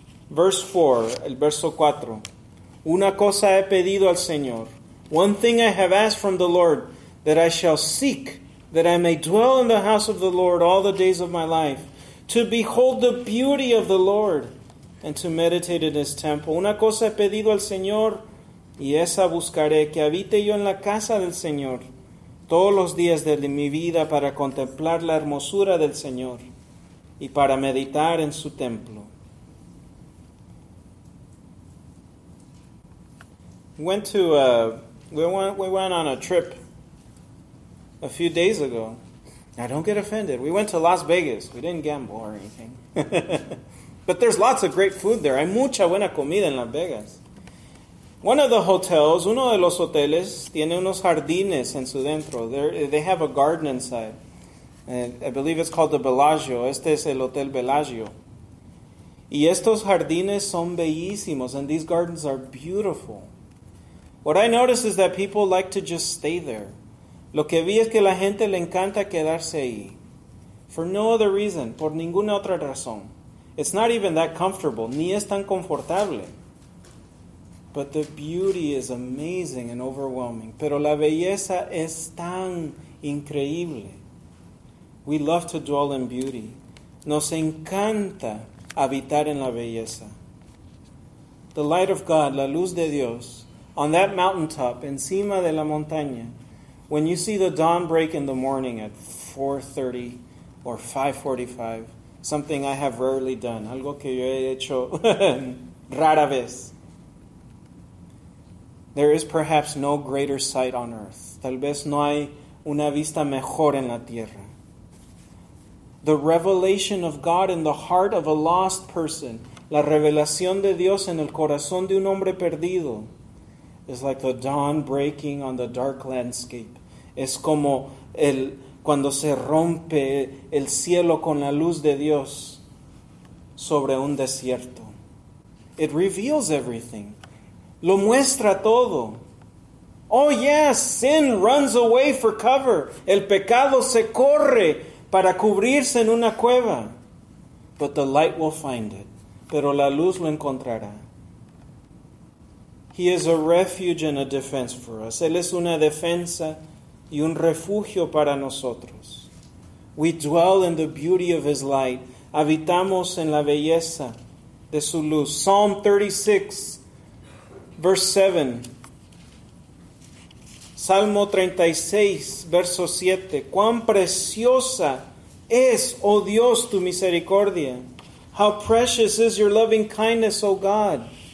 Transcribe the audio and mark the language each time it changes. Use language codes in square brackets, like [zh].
[en] Verse 4, [es] el verso 4. Una cosa he pedido al Señor. [en] One thing I have asked from the Lord, that I shall seek, that I may dwell in the house of the Lord all the days of my life, to behold the beauty of the Lord and to meditate in his temple. [es] Una cosa he pedido al Señor, y esa buscaré, que habite yo en la casa del Señor todos los días de mi vida para contemplar la hermosura del Señor y para meditar en su templo. [en] We went on a trip a few days ago. Now, don't get offended. We went to Las Vegas. We didn't gamble or anything. But there's lots of great food there. [es] Hay mucha buena comida en Las Vegas. [en] One of the hotels, [es] uno de los hoteles, tiene unos jardines en su dentro. [en] They have a garden inside. I believe it's called the Bellagio. [es] Este es el Hotel Bellagio. Y estos jardines son bellísimos, [en] and these gardens are beautiful. What I notice is that people like to just stay there. [es] Lo que vi es que la gente le encanta quedarse ahí. [en] For no other reason, [es] por ninguna otra razón. [en] It's not even that comfortable, [es] ni es tan confortable. [en] But the beauty is amazing and overwhelming. [es] Pero la belleza es tan increíble. [en] We love to dwell in beauty. [es] Nos encanta habitar en la belleza. [en] The light of God, [es] la luz de Dios, [en] on that mountaintop, [es] encima de la montaña. [en] When you see the dawn break in the morning at 4:30 or 5:45, something I have rarely done, [es] algo que yo he hecho rara vez. [en] There is perhaps no greater sight on earth. [es] Tal vez no hay una vista mejor en la tierra. [en] The revelation of God in the heart of a lost person, [es] la revelación de Dios en el corazón de un hombre perdido, [en] is like the dawn breaking on the dark landscape. [es] Es como el cuando se rompe el cielo con la luz de Dios sobre un desierto. [en] It reveals everything. [es] Lo muestra todo. [en] Oh, yes, sin runs away for cover. [es] El pecado se corre para cubrirse en una cueva. [en] But the light will find it. [es] Pero la luz lo encontrará. [en] He is a refuge and a defense for us. [es] Él es una defensa y un refugio para nosotros. [en] We dwell in the beauty of his light. [es] Habitamos en la belleza de su luz. [en] Psalm 36, verse 7. [es] Salmo 36, verso 7. ¿Cuán preciosa es, oh Dios, tu misericordia? [en] How precious is your loving kindness, oh God.